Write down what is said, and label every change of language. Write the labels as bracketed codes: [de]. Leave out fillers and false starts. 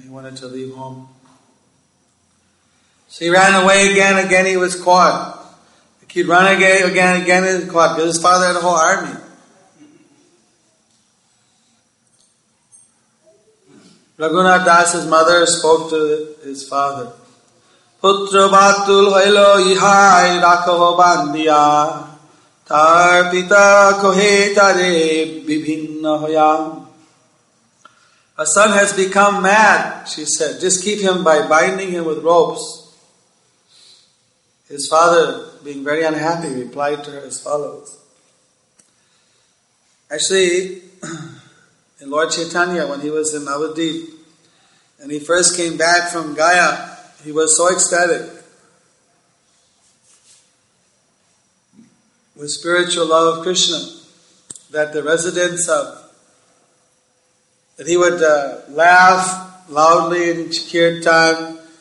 [en] He wanted to leave home. So he ran away again. Again he was caught. He'd run again he was caught because his father had a whole army. Raghunath Das's mother spoke to his father. [bn] পুত্র বাতুল হইল ইহাই রাখহ বান্দিয়া, তার পিতা কহে তারে বিভিন্ন হইয়া। [en] A son has become mad, she said. Just keep him by binding him with ropes. His father, being very unhappy, replied to her as follows. Actually, in Lord Chaitanya, when he was in Navadvip, and he first came back from Gaya, he was so ecstatic with spiritual love of Krishna that the residents of he would laugh loudly in kirtan.